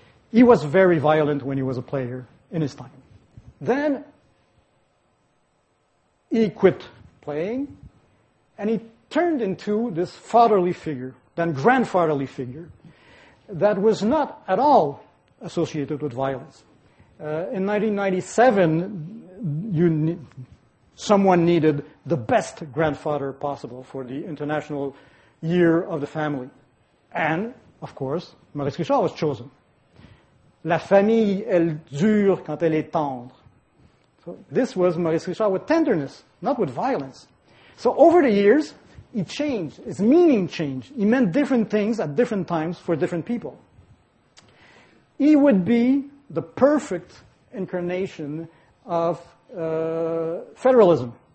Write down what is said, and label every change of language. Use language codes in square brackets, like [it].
[en] He was very violent when he was a player in his time. Then he quit playing and he turned into this fatherly figure, then grandfatherly figure, that was not at all associated with violence. In 1997, someone needed the best grandfather possible for the International Year of the Family. And, of course, Maurice Richard was chosen. [fr] La famille, elle dure quand elle est tendre. [en] So this was Maurice Richard with tenderness, not with violence. So over the years, he changed. His meaning changed. He meant different things at different times for different people. He would be the perfect incarnation of federalism.